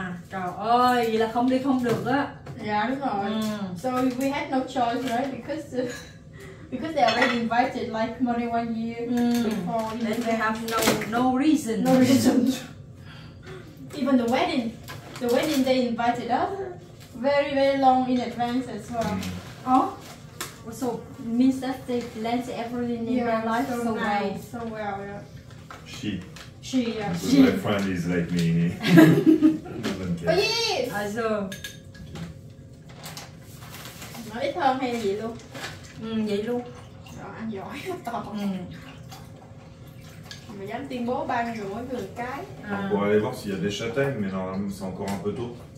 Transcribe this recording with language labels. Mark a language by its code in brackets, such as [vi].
[vi] Trời ơi, vậy là không đi không được á. Dạ đúng rồi. [en] So we had no choice, right? Because they already invited like more than one year before. Then they have no reason. No reason. Even the wedding they invited us very very long in advance as well. Oh. So means that they plans everything in their life so nice. Well. So well, yeah. She, yeah. She. My friend is like me. Oh yes. Also. [vi] Nói ít hơn hay vậy luôn. Ừ, vậy luôn. Rồi, ăn giỏi, to. Ừ. Mà dám tuyên bố ba người mỗi người cái. [fr] Pour aller voir s'il y a des châtaignes, mais normalement c'est encore un peu tôt.